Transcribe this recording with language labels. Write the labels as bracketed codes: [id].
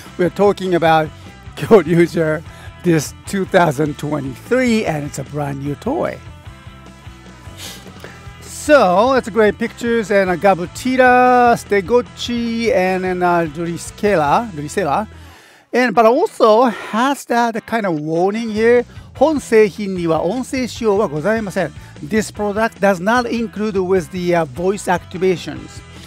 [en] We're talking about Kyoryuger, this 2023, and it's a brand new toy. So, it's great pictures and a Gabutira, Stegochi, and then a Drisela. And, but also has that kind of warning here. [ja] 本製品には音声使用はございません. [en] This product does not include with the voice activations.